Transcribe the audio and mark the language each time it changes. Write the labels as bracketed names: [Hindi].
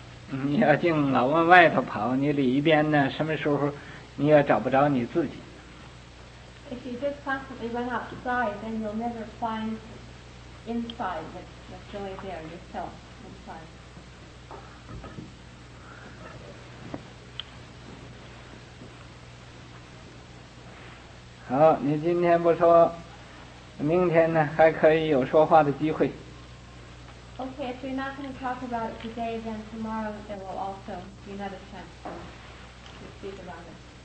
[Chinese] 你要净老往外头跑，你里边呢，什么时候你也找不着你自己。 [English] If you just constantly run outside, then you'll never find inside that's really there yourself. [Chinese] 好，你今天不说，明天呢还可以有说话的机会。 [English] Okay, if you're not going to talk about it today, then tomorrow there will also be another chance to speak about it.